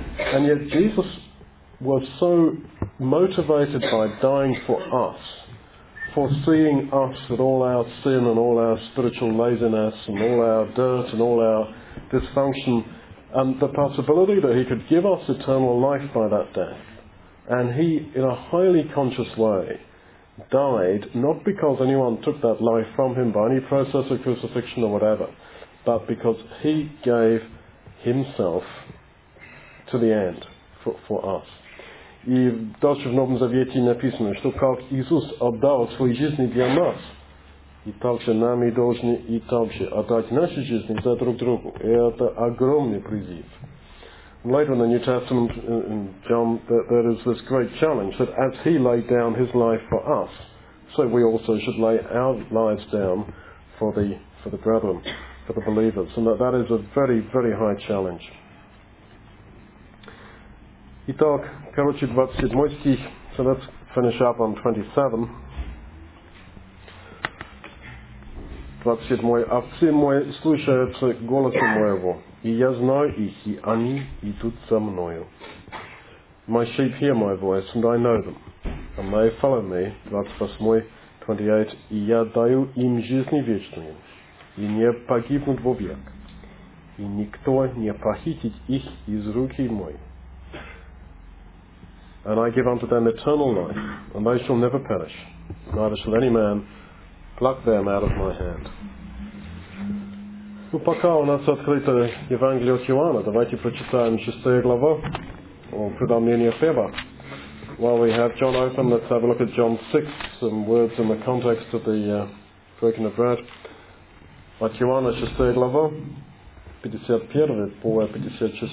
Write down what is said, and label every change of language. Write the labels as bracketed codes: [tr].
[en] And yet Jesus was so motivated by dying for us, for seeing us with all our sin and all our spiritual laziness and all our dirt and all our dysfunction, and the possibility that he could give us eternal life by that death. And he, in a highly conscious way, died, not because anyone took that life from him by any process of crucifixion or whatever, but because he gave himself to the end for us. [ru] И дальше в Новом Завете написано, что как Иисус отдал свою жизнь для нас, и также нам и должны и также отдать нашу жизнь за друг другу. И это огромный призыв. [en] Later in the New Testament, in John, there is this great challenge that as he laid down his life for us, so we also should lay our lives down for the brethren, for the believers. And that is a very, very high challenge. [ru] Итак, короче, 27 стих. [en] So let's finish up on 27. 27. [ru] Овцы мои слушаются голоса моего, и я знаю их, и они идут за мною. [en] My sheep hear my voice, and I know them, and they follow me. 28. [ru] И я даю им жизнь вечную, и не погибнут вовек, и никто не похитит их из руки моей. [en] And I give unto them eternal life, and they shall never perish, neither shall any man pluck them out of my hand. [ru] Ну, пока у нас открыто Евангелие от Иоанна, давайте прочитаем 6 главу, о предомнении хлеба. [en] While we have John open, let's have a look at John 6, some words in the context of the breaking of bread. [ru] От Иоанна 6 глава, 51 по 56.